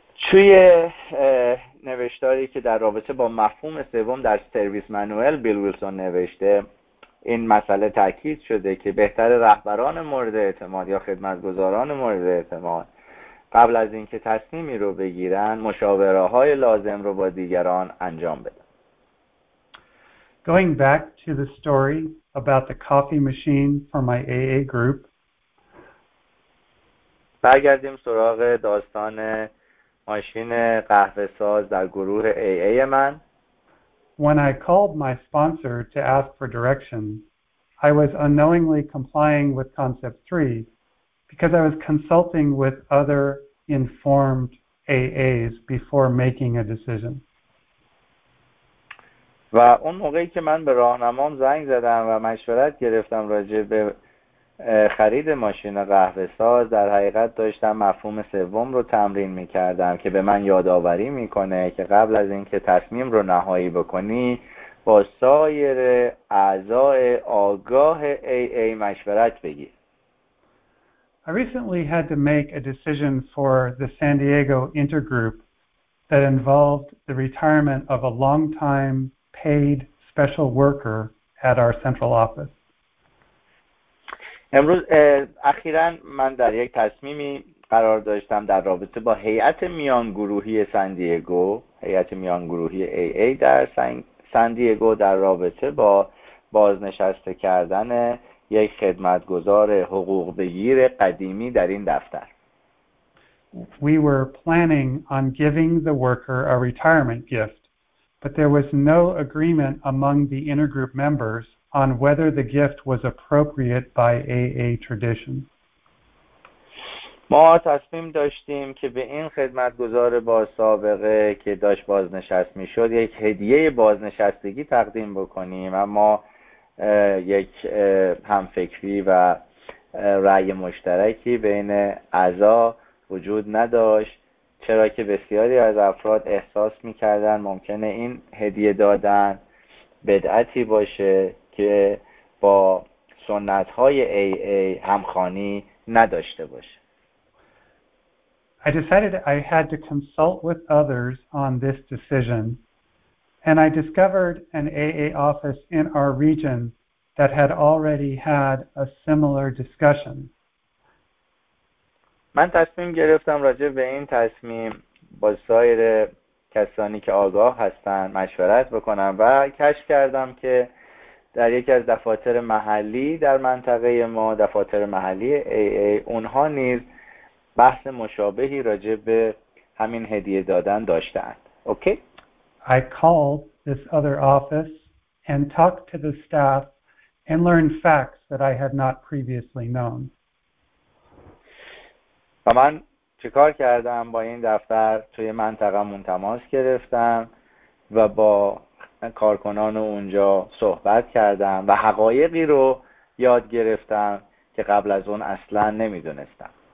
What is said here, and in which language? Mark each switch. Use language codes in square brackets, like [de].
[fa] توی نوشتاری که در رابطه با مفهوم سوم در سرویس مانوئل بیل ویلسون نوشته این مسئله تاکید شده که بهتر رهبران مورد اعتماد یا خدمتگزاران مورد اعتماد قبل از اینکه تصمیمی رو بگیرن مشاوره های لازم رو با دیگران انجام بدن. [en] Going back to the story about the coffee machine for my AA group. [fa] برگردیم سراغ داستان ماشین قهوه ساز در گروه AA من. [en] When I called my sponsor to ask for direction, I was unknowingly complying with concept 3 because I was consulting with other informed AAs before making a decision. [fa] و اون موقعی که من به راهنمام زنگ زدم و مشورت گرفتم راجع به خرید ماشین قهوه ساز در حقیقت داشتم مفهوم سوم رو تمرین می‌کردم که به من یادآوری می‌کنه که قبل از اینکه تصمیم رو نهایی بکنی با سایر اعضای آگاه AA مشورت بگیر. [en] I recently had to make a decision for the San Diego intergroup that involved the retirement of a long-time paid special worker at our central office. [fa] امروز اخیراً من در یک تصمیمی قرار داشتم در رابطه با هیئت میانگروهی سان دیگو، هیئت میانگروهی AA در سان دیگو در رابطه با بازنشسته کردن یک خدمتگزار حقوق بگیر قدیمی در این دفتر. [en] We were planning on giving the worker a retirement gift. But there was no agreement among the intergroup members on whether the gift was appropriate by AA tradition. [fa] ما تصمیم داشتیم که به این خدمتگزار با سابقه که داشت بازنشست می‌شد یک هدیه بازنشستگی تقدیم بکنیم اما یک همفکری و رأی مشترکی بین اعضا وجود نداشت. چرا که بسیاری از افراد احساس می‌کردن ممکنه این هدیه دادن بدعتی باشه که با سنت‌های AA همخوانی نداشته باشه. [en] I decided I had to consult with others on this decision and I discovered an AA office in our region that had already had a similar discussion. [fa] من تصمیم گرفتم راجع به این تصمیم با سایر کسانی که آگاه هستند مشورت بکنم و کشف کردم که در یکی از دفاتر محلی در منطقه ما دفاتر محلی AA اونها نیز بحث مشابهی راجع به همین هدیه دادن داشتند. اوکی؟ [en] I called this other office and talked to the staff and learned facts that I had not previously known. [fa] و من چیکار کردم با این دفتر توی منطقه من تماس گرفتم و با کارکنان اونجا صحبت کردم و حقایقی رو یاد گرفتم که قبل از اون اصلا نمیدونستم.